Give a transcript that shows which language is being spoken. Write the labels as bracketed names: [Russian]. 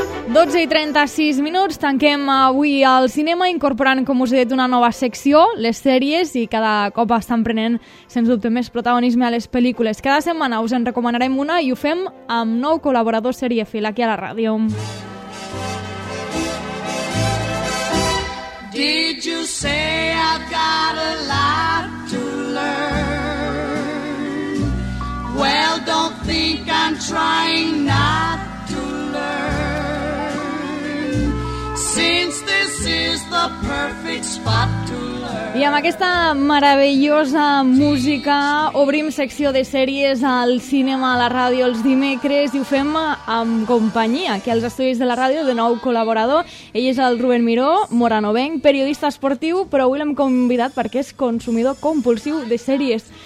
[Catalan] 12 i 36 minuts, tanquem avui el cinema incorporant, com us he dit, una nova secció, les sèries, i cada cop estan prenent, sens dubte, més protagonisme a les pel·lícules. Cada setmana us en recomanarem una i ho fem amb nou col·laborador seriefil aquí a la ràdio. [English] Did you say I've got a lot to learn? Well, don't think I'm trying not to learn. Since this is the perfect spot to learn. [Catalan] I amb aquesta meravellosa música obrim secció de sèries al cinema, a la ràdio, els dimecres, i ho fem amb companyia, que als estudis de la ràdio, de nou col·laborador. Ell és el Rubén Miró, moranovenc, periodista esportiu, però avui l'hem convidat perquè és consumidor compulsiu de sèries.